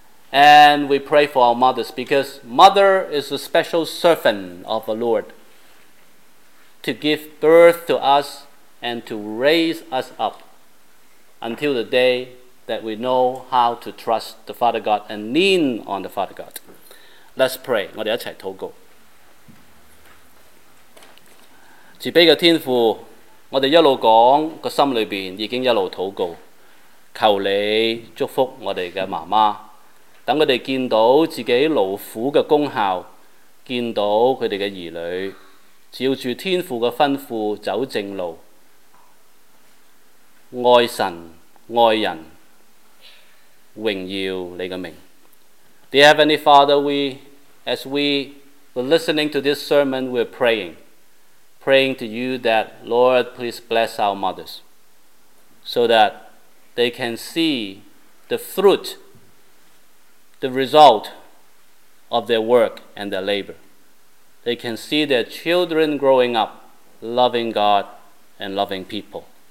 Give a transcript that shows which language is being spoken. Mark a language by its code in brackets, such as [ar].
[en] And we pray for our mothers because mother is a special servant of the Lord. To give birth to us and to raise us up until the day that we know how to trust the Father God and lean on the Father God. Let's pray. [yue] 我们一起祷告。慈悲的天父，我们一路讲个心里面已经一路祷告，求你祝福我们的妈妈，等我们见到自己劳苦的功效，见到他们的儿女照住天父的吩咐走正路，爱神爱人，荣耀你的名。 [en] Dear Heavenly Father, as we were listening to this sermon, we're praying to you that Lord, please bless our mothers so that they can see the fruit, the result of their work and their laborThey can see their children growing up, loving God and loving people.